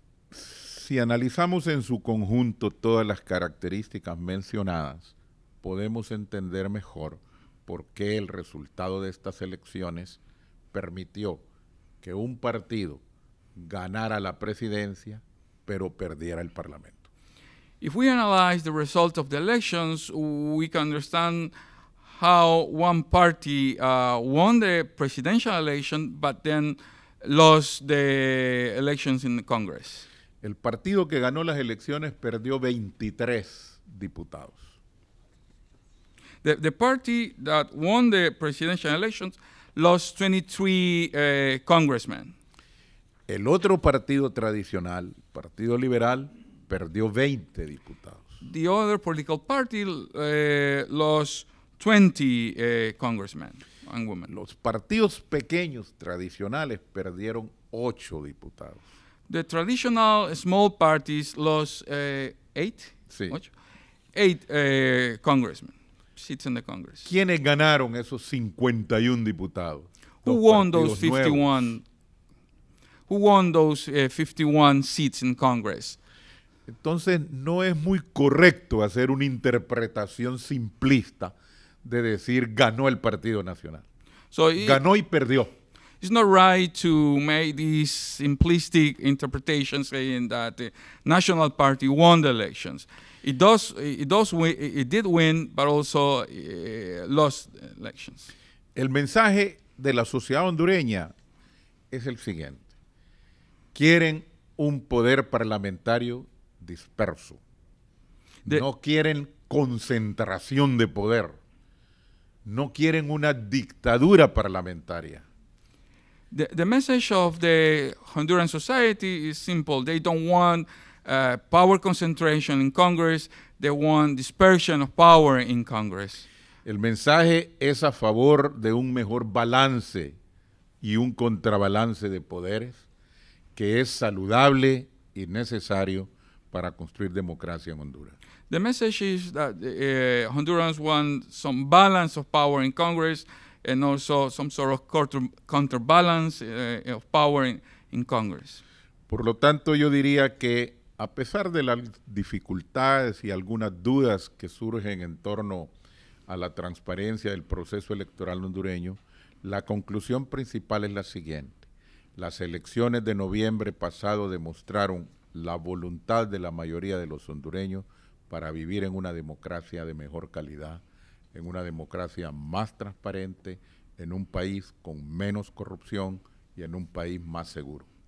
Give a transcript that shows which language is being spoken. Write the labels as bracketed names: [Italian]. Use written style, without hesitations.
[Spanish] Si analizamos en su conjunto todas las características mencionadas, podemos entender mejor por qué el resultado de estas elecciones permitió que un partido ganara la presidencia, pero perdiera el parlamento. [English] If we analyze the result of the elections, we can understand how one party won the presidential election, but then lost the elections in the Congress. [Spanish] El partido que ganó las elecciones perdió 23 diputados. [English] The party that won the presidential elections lost 23 congressmen. [Spanish] El otro partido tradicional, Partido Liberal, perdió 20 diputados. [English] The other political party lost 20 congressmen and women. [Spanish] Los partidos pequeños tradicionales perdieron 8 diputados. [English] The traditional small parties lost 8? [Spanish] Sí. [English] 8 congressmen. Seats in the Congress. [Spanish] ¿Quiénes ganaron esos 51 diputados? [English] Who won those 51 seats in Congress? [Spanish] Entonces, no es muy correcto hacer una interpretación simplista de decir ganó el Partido Nacional. [English] So [Spanish] ganó y perdió. [English] it's not right to make these simplistic interpretations saying that the National Party won the elections. It did win, but also lost elections. [Spanish] El mensaje de la sociedad hondureña es el siguiente. Quieren un poder parlamentario disperso. No quieren concentración de poder. No quieren una dictadura parlamentaria. [English] The message of the Honduran society is simple. They don't want power concentration in Congress. They want dispersion of power in Congress. [Spanish] El mensaje es a favor de un mejor balance y un contrabalance de poderes que es saludable y necesario para construir democracia en Honduras. [English] The message is that Hondurans want some balance of power in Congress and also some sort of counterbalance of power in Congress. [Spanish] Por lo tanto, yo diría que a pesar de las dificultades y algunas dudas que surgen en torno a la transparencia del proceso electoral hondureño, la conclusión principal es la siguiente. Las elecciones de noviembre pasado demostraron la voluntad de la mayoría de los hondureños para vivir en una democracia de mejor calidad, en una democracia más transparente, en un país con menos corrupción y en un país más seguro.